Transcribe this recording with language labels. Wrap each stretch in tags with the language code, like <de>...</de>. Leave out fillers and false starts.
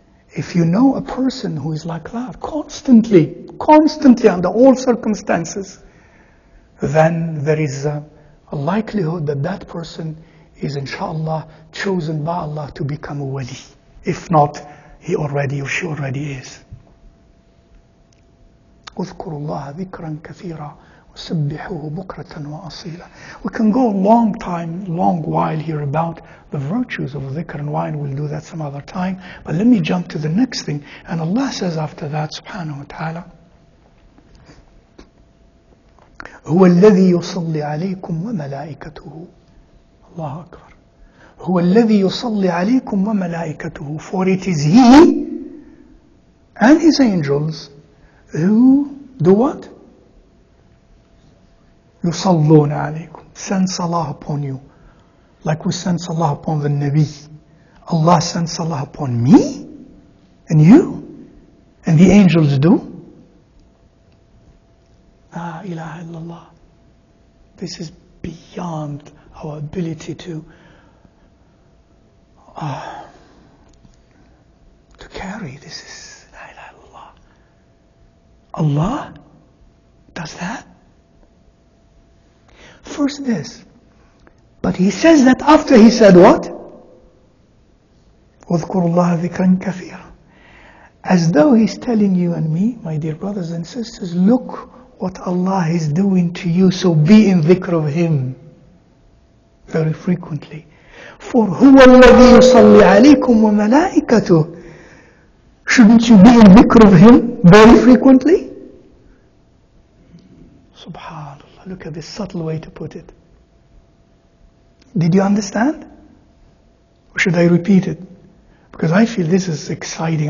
<en>If you know a person who is like that, constantly under all circumstances, then there is a likelihood that that person is, inshallah, chosen by Allah to become a wali. If not, he already or she already is.</en> <ar>اذكروا الله ذكرا كثيرا وسبحوه بكرة وأصيلا.</ar> <en>We can go a long time, long while here about the virtues of dhikr and wine. We'll do that some other time. But let me jump to the next thing. And Allah says after that, subhanahu wa ta'ala,</en> <ar>هو الذي يصلي عليكم وملائكته. الله أكبر. هو الذي يصلي عليكم وملائكته.</ar> <en>For it is He and His angels who do what?</en> <ar>يصلون عليكم.</ar> <en>Send salah upon you, like we send salah upon the Nabi. Allah sends salah upon me and you, and the angels do. La ilaha illallah. This is beyond our ability to carry. This is la ilaha illallah. Allah does that? First this. But he says that after he said what?</en> <ar>اذكروا الله ذكرا كثيرا.</ar> <en>As though he's telling you and me, my dear brothers and sisters, look what Allah is doing to you, so be in dhikr of Him very frequently. For</en> <ar>هو الذي يصلي عليكم وملائكته.</ar> <en>Shouldn't you be in dhikr of Him very frequently? Subhanallah, look at this subtle way to put it. Did you understand? Or should I repeat it? Because I feel this is exciting.</en>